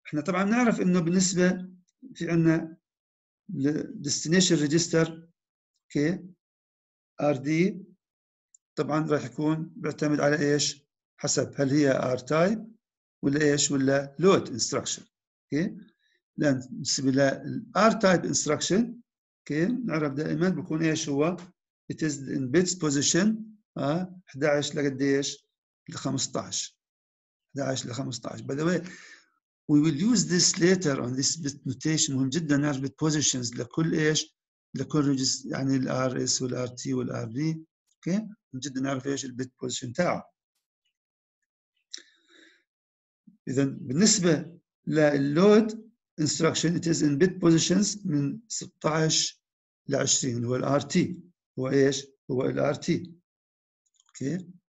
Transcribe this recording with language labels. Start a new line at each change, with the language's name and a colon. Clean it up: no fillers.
Arabic: احنا طبعا نعرف انه بالنسبه في عندنا destination register اوكي okay. rd طبعا راح يكون بيعتمد على ايش حسب هل هي r type ولا ايش ولا load instruction اوكي okay.
English: لان بالنسبة للR type instruction okay, نعرف دائما بكون ايش هو it is in bits position 11 لقديش ل 15 11 ل 15 by the way we will use this later on this bit notation
Arabic: مهم جدا نعرف
English: bit positions لكل ايش لكل register يعني ال RS وال RT وال RD okay.
Arabic: مهم جدا نعرف ايش ال bit position تاعه. اذا بالنسبة للload instruction
English: it is in bit positions
Arabic: من 16 ل 20 هو ال RT هو ايش هو ال RT اوكي